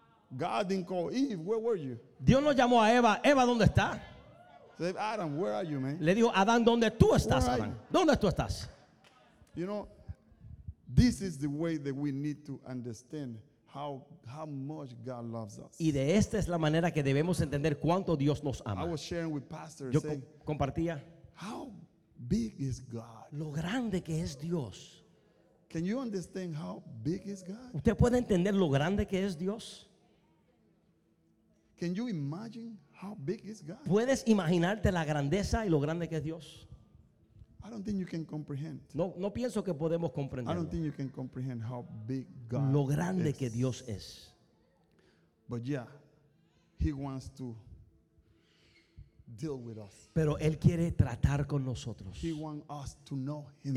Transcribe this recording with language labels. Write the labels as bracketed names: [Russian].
[English] God didn't call Eve. Where were you? [Spanish] Dios no llamó a Eva. Eva, ¿dónde está? [English] Said Adam, where are you, man? [Spanish] Le dijo Adán, ¿dónde tú estás, Adán? ¿Dónde tú estás? [English] You know, this is the way that we need to understand how much God loves us. [Spanish] Y de esta es la manera que debemos entender cuánto Dios nos ama. [English] I was sharing with pastor. [Spanish] Yo compartía. [English] How big is God? [Spanish] Lo grande que es Dios. [English] Can you understand how big is God? [Spanish] ¿Usted puede entender lo grande que es Dios? [English] Can you imagine how big is God? [Spanish] ¿Puedes imaginarte la grandeza y lo grande que es Dios? [English] I don't think you can comprehend. [Spanish] No pienso que podemos comprenderlo. [English] I don't think you can comprehend how big God [Spanish] lo grande [English] is. [Spanish] Que Dios es. [English] But yeah, he wants to deal with us. [Spanish] Pero él quiere tratar con nosotros. [English] He wants us to know him.